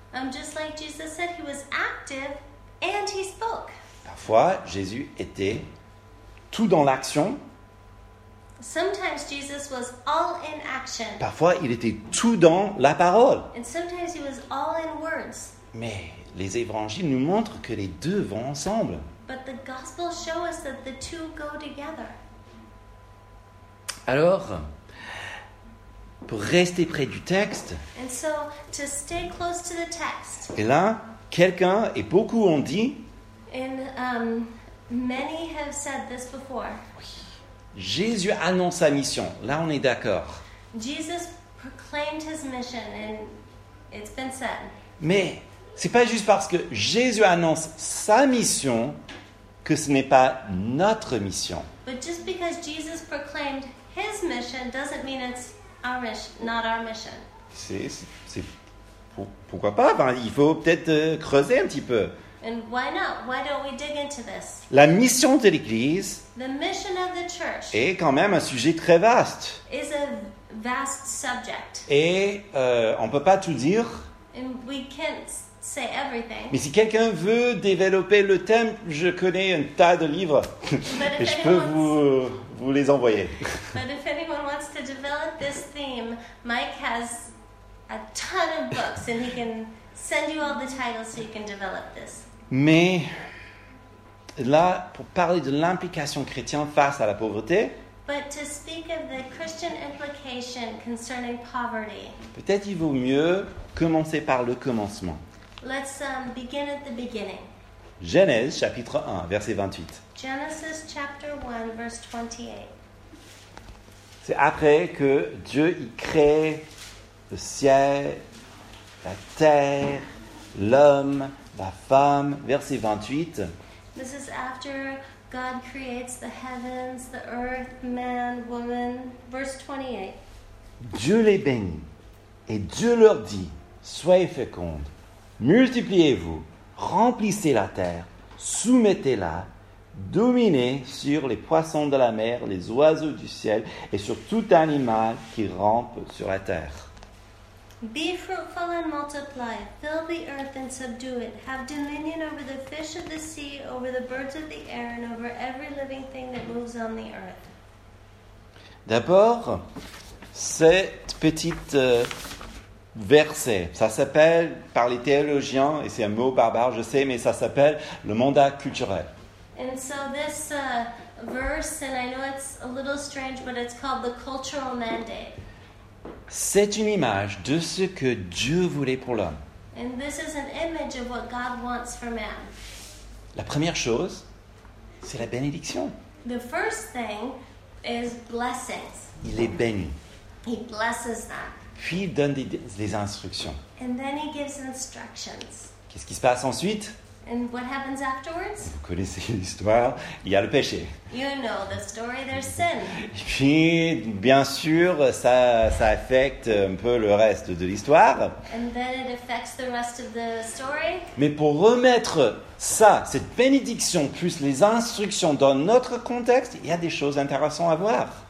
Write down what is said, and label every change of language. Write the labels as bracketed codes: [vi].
[en] Just like Jesus said, he was active and he spoke. [fr] Parfois, Jésus était tout dans l'action. [en] Sometimes Jesus was all in action. [fr] Parfois, il était tout dans la parole. [en] And sometimes he was all in words. [fr] Mais les évangiles nous montrent que les deux vont ensemble. [en] But the gospel shows us that the two go together. [fr] Alors, pour rester près du texte. [en] And so, to stay close to the text. [fr] Et là, quelqu'un et beaucoup ont dit. [en] And many have said this before. [fr] Oui. Jésus annonce sa mission. Là, on est d'accord. [en] Jesus proclaimed his mission, and it's been said. [fr] Mais c'est pas juste parce que Jésus annonce sa mission que ce n'est pas notre mission. [en] But just because Jesus proclaimed his mission doesn't mean it's our mission, not our mission. [fr] C'est pourquoi pas? Ben, il faut peut-être creuser un petit peu. [en] And why not? Why don't we dig into this? [fr] La mission de l'Église. [en] The mission of the church. [fr] Est quand même un sujet très vaste. [en] Is a vast subject. [fr] Et on peut pas tout dire. [en] And we can't. Say everything. [fr] Mais si quelqu'un veut développer le thème, je connais un tas de livres et je peux vous les envoyer. [en] But if anyone wants to develop this theme, Mike has a ton of books and he can send you all the titles so you can develop this. [fr] Mais là, pour parler de l'implication chrétienne face à la pauvreté, [en] but to speak of the Christian implication concerning poverty, [fr] peut-être il vaut mieux commencer par le commencement. [en] Let's begin at the beginning. [fr] Genèse, chapitre 1, verset 28. [en] Genesis, chapter 1, verse 28. [fr] C'est après que Dieu y crée le ciel, la terre, l'homme, la femme. Verset 28. [en] This is after God creates the heavens, the earth, man, woman. Verse 28. [fr] Dieu les bénit et Dieu leur dit, soyez fécondes. Multipliez-vous, remplissez la terre, soumettez-la, dominez sur les poissons de la mer, les oiseaux du ciel et sur tout animal qui rampe sur la terre. [en] Be fruitful and multiply, fill the earth and subdue it, have dominion over the fish of the sea, over the birds of the air and over every living thing that moves on the earth. [fr] D'abord, cette petite verset. Ça s'appelle, par les théologiens, et c'est un mot barbare, je sais, mais ça s'appelle le mandat culturel. [en] And so this verse, and I know it's a little strange, but it's called the cultural mandate. [fr] C'est une image de ce que Dieu voulait pour l'homme. [en] And this is an image of what God wants for man. [fr] La première chose, c'est la bénédiction. [en] The first thing is blessings. [fr] Il est béni. [en] He blesses them. [fr] Puis il donne des instructions. [en] And then he gives instructions. [fr] Qu'est-ce qui se passe ensuite? [en] And what happens afterwards? [fr] Vous connaissez l'histoire, il y a le péché. [en] You know the story, there's sin. [fr] Puis, bien sûr, ça affecte un peu le reste de l'histoire. [en] And then it affects the rest of the story. [fr] Mais pour remettre ça, cette bénédiction, plus les instructions dans notre contexte, il y a des choses intéressantes à voir.